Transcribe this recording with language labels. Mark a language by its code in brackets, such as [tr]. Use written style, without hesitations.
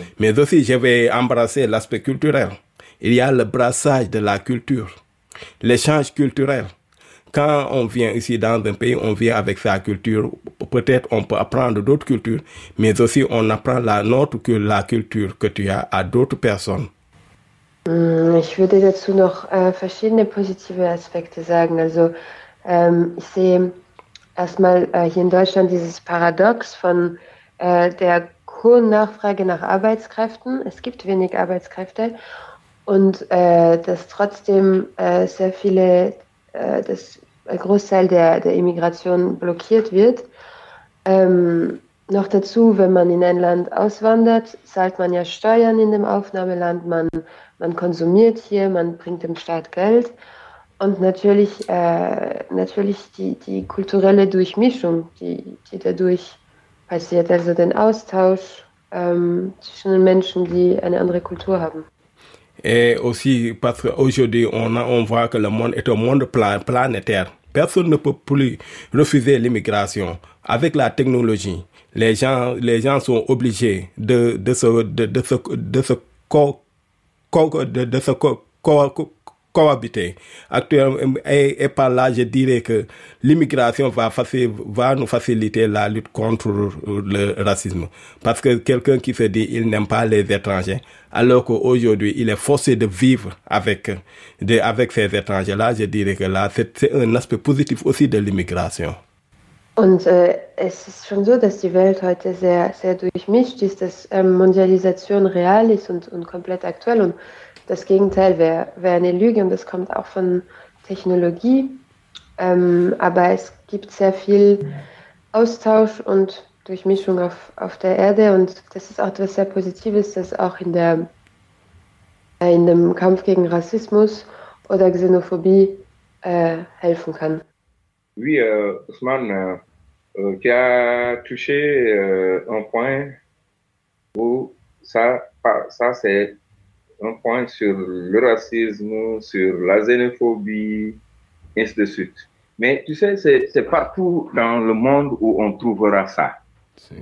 [fr] Mais aussi, je vais embrasser l'aspect culturel. Il y a le brassage de la culture, l'échange culturel. Quand on vient ici dans un pays, on vient avec sa culture. Peut-être on peut apprendre d'autres cultures, mais aussi on apprend la culture que tu as à d'autres personnes. [de] Ich würde dazu noch verschiedene positive Aspekte sagen. Also ich sehe erstmal hier in Deutschland dieses Paradox von der hohen Nachfrage nach Arbeitskräften. Es gibt wenig Arbeitskräfte und dass trotzdem sehr viele, dass ein Großteil der Immigration blockiert wird. Noch dazu, wenn man in ein Land auswandert, zahlt man ja Steuern in dem Aufnahmeland, man konsumiert hier, man bringt dem Staat Geld und natürlich die kulturelle Durchmischung, die dadurch passiert, also den Austausch zwischen den Menschen, die eine andere Kultur haben. [fr] Et aussi parce qu'aujourd'hui on voit que le monde est un monde planétaire. Personne ne peut plus refuser l'immigration avec la technologie. Les gens sont obligés de se cohabiter. Actuellement, et par là, je dirais que l'immigration va nous faciliter la lutte contre le racisme. Parce que quelqu'un qui se dit qu'il n'aime pas les étrangers, alors qu'aujourd'hui, il est forcé de vivre avec ces étrangers-là, je dirais que là, c'est un aspect positif aussi de l'immigration. [de] Und es ist schon so, dass die Welt heute sehr, sehr durchmischt ist, dass Mondialisation real ist und komplett aktuell. Und das Gegenteil wär eine Lüge und das kommt auch von Technologie. Aber es gibt sehr viel Austausch und Durchmischung auf der Erde. Und das ist auch etwas sehr Positives, dass auch in dem Kampf gegen Rassismus oder Xenophobie helfen kann. [fr] Oui, Ousmane, tu as touché un point où ça c'est un point sur le racisme, sur la xénophobie, ainsi de suite. Mais tu sais, c'est partout dans le monde où on trouvera ça. Si.